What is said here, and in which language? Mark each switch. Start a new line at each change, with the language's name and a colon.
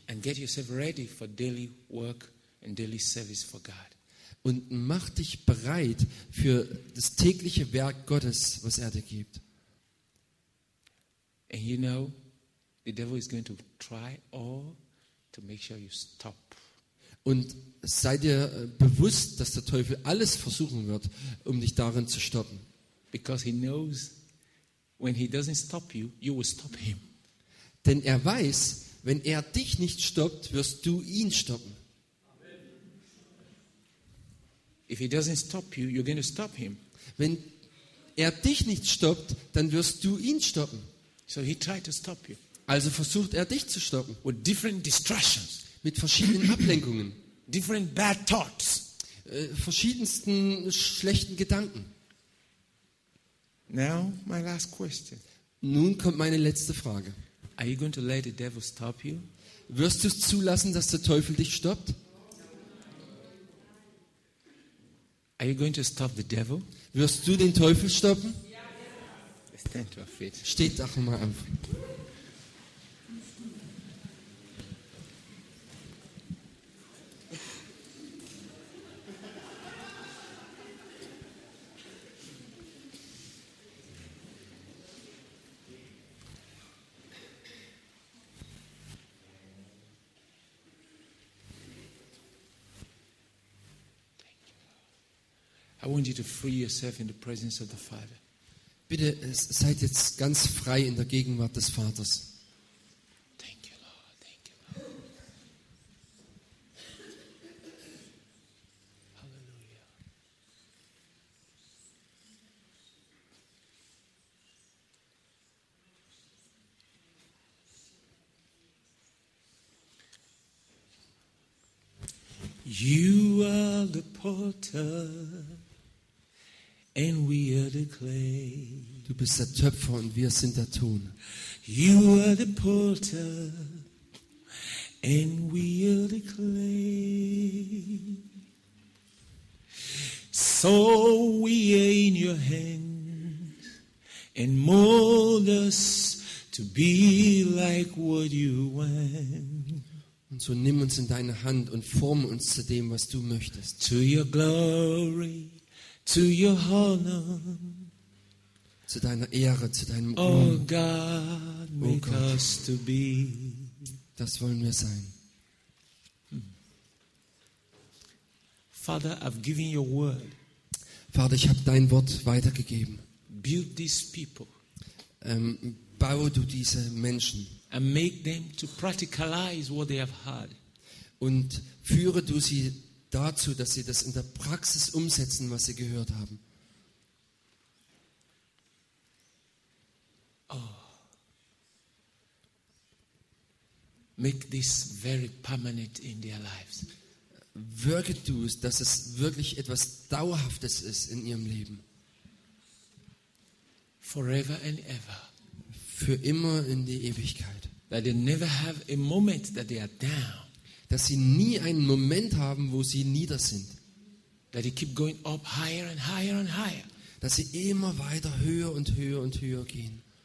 English: And get yourself ready for daily work and daily service for God.
German: Und mach dich bereit für das tägliche Werk Gottes, was er dir gibt.
English: And you know, the devil is going to try all to make sure you stop.
German: Und sei dir bewusst, dass der Teufel alles versuchen wird, um dich darin zu stoppen.
English: Because he knows. When he doesn't stop you, you will stop him.
German: Denn er weiß, wenn er dich nicht stoppt, wirst du ihn stoppen.
English: If he doesn't stop you, you're going to stop him.
German: Wenn er dich nicht stoppt, dann wirst du ihn stoppen.
English: So he tried to stop you.
German: Also versucht er dich zu stoppen.
English: With different distractions.
German: Mit verschiedenen Ablenkungen.
English: Different bad thoughts.
German: Verschiedensten schlechten Gedanken.
English: Now my last question.
German: Nun kommt meine letzte Frage.
English: Are you going to let the devil stop you?
German: Wirst du es zulassen, dass der Teufel dich stoppt?
English: Are you going to stop the devil?
German: Wirst du den Teufel stoppen?
English: Stand to our feet.
German: Steht doch mal auf.
English: I want you to free yourself in the presence of the Father.
German: Bitte seid jetzt ganz frei in der Gegenwart des Vaters.
English: Thank you, Lord. Thank you, Lord. Hallelujah. You are the Potter. And we are the clay.
German: Du bist der Töpfer und wir sind der Ton.
English: You are the potter and we are the clay. So we are in your hands and mold us to be like what you want.
German: Und so nimm uns in deine Hand und form uns zu dem, was du möchtest.
English: To your glory. To your honor,
German: zu deiner Ehre, zu deinem Ruhm.
English: Oh God, make us to be.
German: Das wollen wir sein.
English: Father, I've given your word.
German: Vater, ich habe dein Wort weitergegeben.
English: Build these people.
German: Baue du diese Menschen.
English: And make them to practicalize what they have heard.
German: Und führe du sie dazu, dass sie das in der Praxis umsetzen, was sie gehört haben. Oh.
English: Make this very permanent in their lives.
German: Wirke du es, dass es wirklich etwas Dauerhaftes ist in ihrem Leben.
English: Forever and ever.
German: Für immer in die Ewigkeit.
English: That they never have a moment that they are down.
German: Dass sie nie einen Moment haben, wo sie nieder sind.
English: That they keep going up higher and higher and higher.
German: Dass sie immer weiter höher und höher und höher gehen.